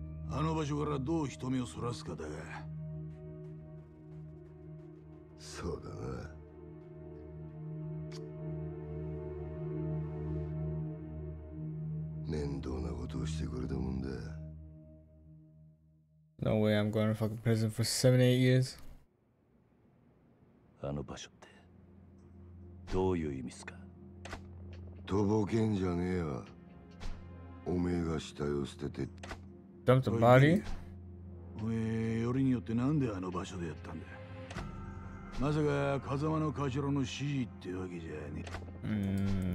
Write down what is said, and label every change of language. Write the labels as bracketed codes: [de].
[ja] あの場所からどう人目をそらすかだが。そうだな。面倒なことをしてくれたもんだ。 [en] No way, I'm going to fucking prison for 7-8 years. [ja] あの場所ってどういう意味すか。とぼけんじゃねえわ。おめえが死体を捨てて。ダンプバリ？おめえよりによってなんであの場所でやったんだ。まさか風間の頭の指示ってわけじゃねえ。